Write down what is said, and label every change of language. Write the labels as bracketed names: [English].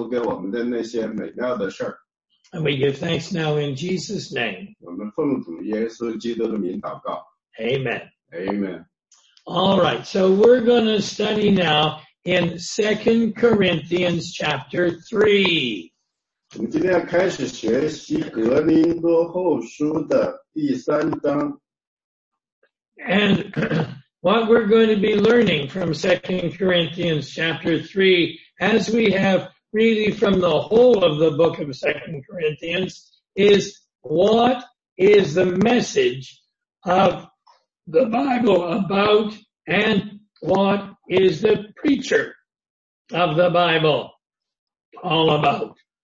[Chinese] 你想要赐福给我们的那些美妙的事儿。 [English] And we give thanks now in Jesus' name. [Chinese] 我们奉主耶稣基督的名祷告。 [English] Amen. Amen. All right, so we're going to study now in 2 Corinthians chapter 3. [Chinese] 我们今天要开始学习格林多后书的第三章。 [English] And what we're going to be learning from 2 Corinthians chapter 3, as we have really from the whole of the book of 2 Corinthians, is what is the message of the Bible about, and what is the preacher of the Bible all about?